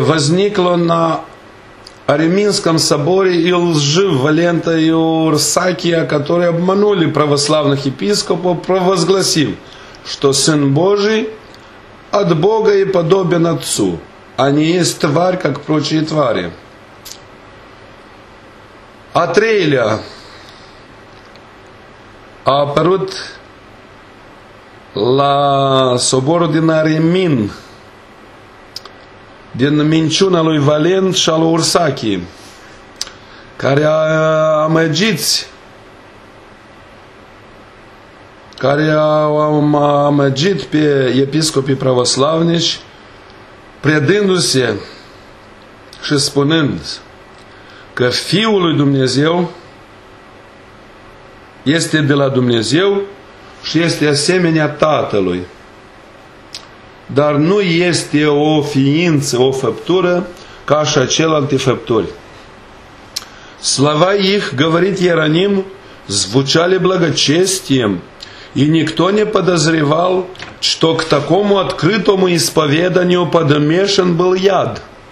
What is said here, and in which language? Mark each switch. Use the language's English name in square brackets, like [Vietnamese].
[Russian] Возникло на Ареминском соборе и лжи Валента и Урсакия, которые обманули православных епископов, провозгласив, что Сын Божий от Бога и подобен Отцу, а не есть тварь, как прочие твари. [Romanian] Атрейля. Апарут ла собор динаремин. Din minciuna lui Valent și a lui Ursachi, care a amăgiți, care au amăgit pe episcopii pravoslavnici, predându-se și spunând că Fiul lui Dumnezeu este de la Dumnezeu și este asemenea Tatălui. Dar nu este o ființă, o făptură, ca și celelalte făpturi. [Russian] Slava их, говорит Иероним, звучали благочестием, и никто не подозревал, что к такому открытому исповеданию подмешан был яд.